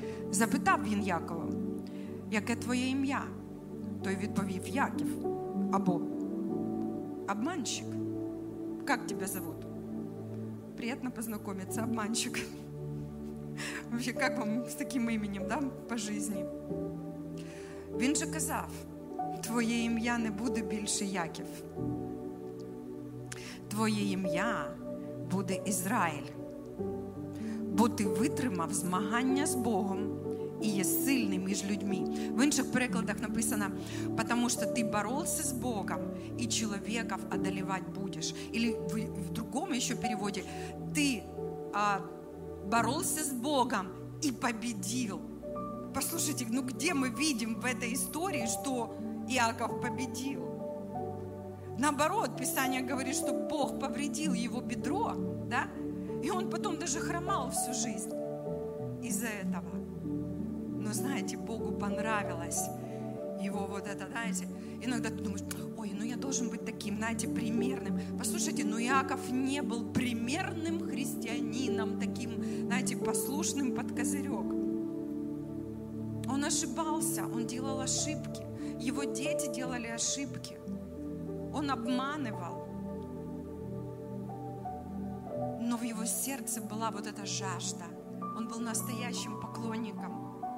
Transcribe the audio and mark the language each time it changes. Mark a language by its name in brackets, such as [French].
[Ukrainian] Запитав він Якова, яке твоє ім'я? Той відповів, Яків, або обманщик. Як тебе зовут? Приємно познайомитися, обманщик. [Russian] Вообще, как вам с таким именем, да, по жизни? [Ukrainian] Він же казав, твоє ім'я не буде більше Яків. Твоє ім'я буде Ізраїль. Бо ти витримав змагання з Богом і є сильний між людьми. В інших перекладах написано, потому що ти боролся з Богом і чоловіків одолівати будеш. Или в другому ще переводі, ти боролся з Богом і побідів. Послушайте, ну де ми бачимо в цій історії, що Яков побідив? Наоборот, Писання говорить, що Бог повредив його бідро, да? І він потім навіть хромав всю життя із-за цього. Ну, знаєте, Богу понравилось його вот это, знаєте, іноді ти думаєш, ой, ну я должен бути таким, знаєте, примерним. Послушайте, ну Яков не був примерним християнином, таким, знаєте, послушним під козирьок. [Russian] Он ошибался, он делал ошибки. Его дети делали ошибки. Он обманывал. Но в его сердце была вот эта жажда. Он был настоящим поклонником.